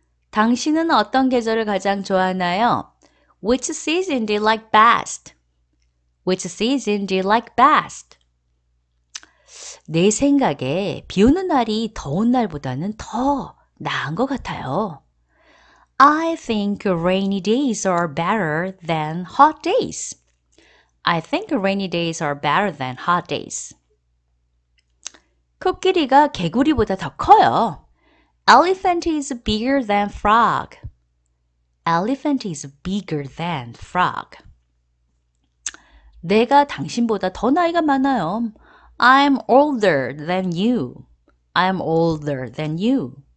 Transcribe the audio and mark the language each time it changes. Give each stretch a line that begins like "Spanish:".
Korean: 당신은 어떤 계절을 가장 좋아하나요?
English: Which season do you like best? Which season do you like best?
Korean: 내 생각에 비 오는 날이 더운 날보다는 더 나은 것 같아요.
English: I think rainy days are better than hot days. I think rainy days are better than hot days.
Korean: 코끼리가 개구리보다 더 커요.
English: Elephant is bigger than frog. Elephant is bigger than frog.
Korean: 내가 당신보다 더 나이가 많아요.
English: I'm older than you. I'm older than you.